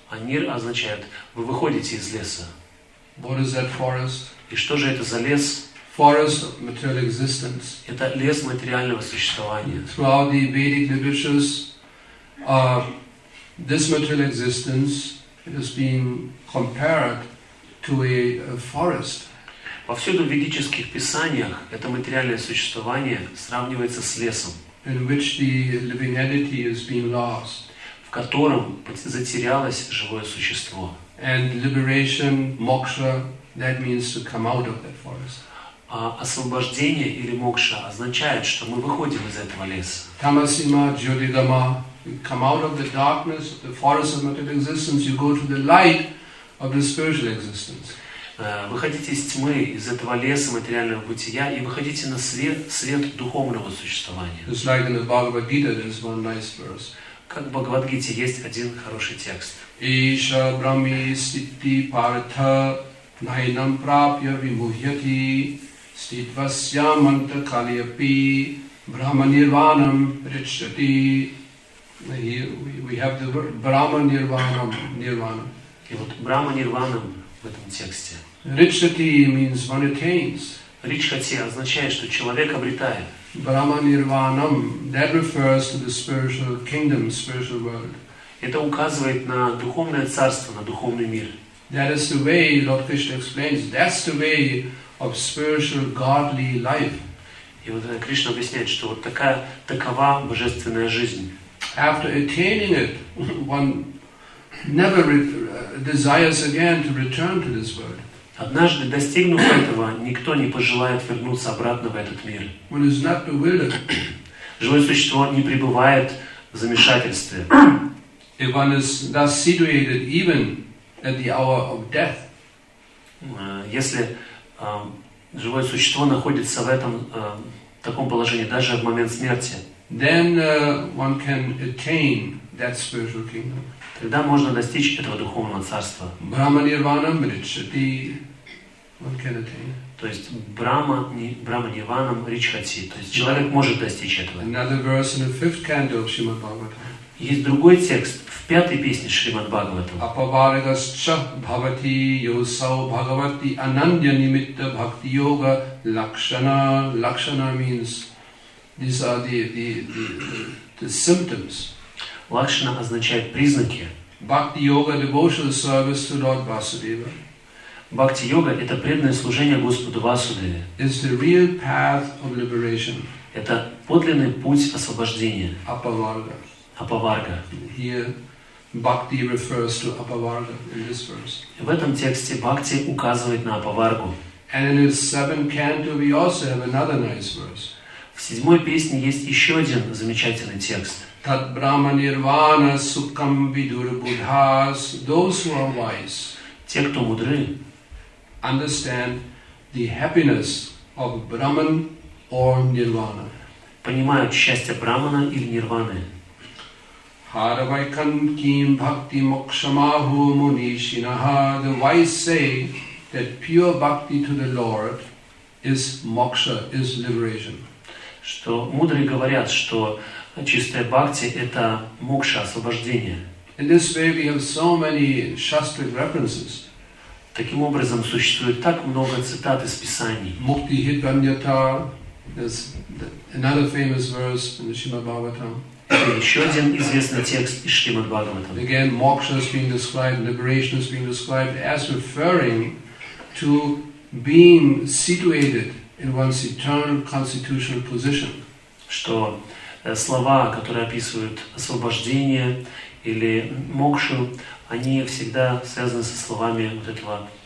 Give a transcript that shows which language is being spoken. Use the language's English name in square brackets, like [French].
[Russian] А нир означает вы выходите из леса. [English] What is that forest? [Russian] И что же это за лес? [English] Forest of material existence. [Russian] Это лес материального существования. [English] Throughout the Vedic literatures, this material existence is being compared to a forest. [Russian] Повсюду в ведических писаниях это материальное существование сравнивается с лесом. [English] In which the living entity is being lost. [Russian] В котором затерялось живое существо. [English] And liberation, moksha, that means to come out of that forest. [Russian] А освобождение или мокша означает, что мы выходим из этого леса. [Sanskrit] Tamasima, jyotigama, [English] come out of the darkness, the forest of material existence, you go to the light of the spiritual existence. [Russian] Выходите из тьмы, из этого леса материального бытия и выходите на свет, свет духовного существования. [English] It's like in the Bhagavad Gita, there's one nice verse. [Russian] Как в Бхагавад-гите есть один хороший текст. [Sanskrit] Иша брахми ститти партха найнам прапья вимухьяти ститвасья манта калиапи брахма нирванам ричати. [English] We have the word брахма нирванам, нирванам. [Russian] И вот брахма нирванам в этом тексте. [English] Ричати means one attains. [Russian] Ричхати означает, что человек обретает. [English] Брахма нирванам, that refers to the spiritual kingdom, spiritual world. [Russian] Это указывает на духовное царство, на духовный мир. [English] That is the way, Lord Krishna explains, that's the way of spiritual godly life. [Russian] И вот Кришна объясняет, что вот такая, такова божественная жизнь. [English] After attaining it, one never desires again to return to this world. [Russian] Однажды, достигнув этого, никто не пожелает вернуться обратно в этот мир. [English] One is not bewildered. [Russian] Живое существо не пребывает в замешательстве. [English] If one is thus situated even at the hour of death. [Russian] Если живое существо находится в этом таком положении, даже в момент смерти, [English] then one can attain that spiritual kingdom. [Russian] Тогда можно достичь этого духовного царства. [Sanskrit] Брахма-нирвана мричхати. [English] One can attain. [Russian] То есть Брахма-нирванам мричхати. То есть человек может достичь этого. [English] Another verse in the fifth canto of Shrimad Bhagavatam. [Russian] Есть другой текст в пятой песне Шримад Бхагаватам. [Sanskrit] Апаварагасча бхавати йосау бхагавати ананья нимитта бхакти йога лакшана. [English] Лакшана means these are the symptoms. [Russian] Лакшана означает признаки. [English] Бхакти йога devotional service to Lord Vasudeva. [Russian] Бхакти йога это преданное служение Господу Васудеве. [English] Is the real path of liberation. [Russian] Это подлинный путь освобождения. [Sanskrit] Апаварга. Апаварга. [English] Here, Bhakti refers to Apavarga in this verse. [Russian] В этом тексте Бхакти указывает на Апаваргу. [English] And in his seventh canto, we also have another nice verse. [Russian] В седьмой песне есть еще один замечательный текст. [Sanskrit] Tat Brahma Nirvana Sukham Vidur Buddhas. [English] Those who are wise. [Russian] Те, кто мудры. [English] Understand the happiness of Brahman or Nirvana. [Russian] Понимают счастье Брахмана или Нирваны. [Sanskrit] Haravaikan kim bhakti mokshamahu munishinaha. [English] The wise say that pure bhakti to the Lord is moksha, is liberation. [Russian] Что мудрые говорят, что чистая бхакти это мокша, освобождение. [English] In this way we have so many shastric references. [Russian] Таким образом существует так много цитат из писаний. [English] Mukti hitvanyata is another famous verse in the Shrimad Bhagavatam. [Russian] Еще один известный текст из Шримад Бхагаватам. [English] Again, moksha is being described, liberation is being described as referring to being situated in one's eternal constitutional position. [Russian] Что слова, которые описывают освобождение или мокшу, они всегда связаны со словами вот этого.